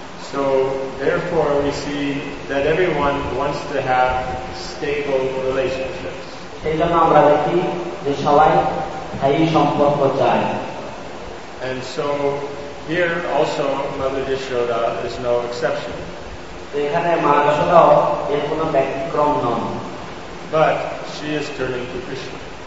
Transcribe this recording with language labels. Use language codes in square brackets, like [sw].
[en] So therefore we see that everyone wants to have stable relationships. [bn] সেই জন্য আমরা দেখি যে সবাই স্থায়ী সম্পর্ক চায়। [en] And so here also Mother Yashoda is no exception. [bn] এখানে মা যশোদাও এর কোন ব্যতিক্রম নন। [en] But she is turning to Krishna.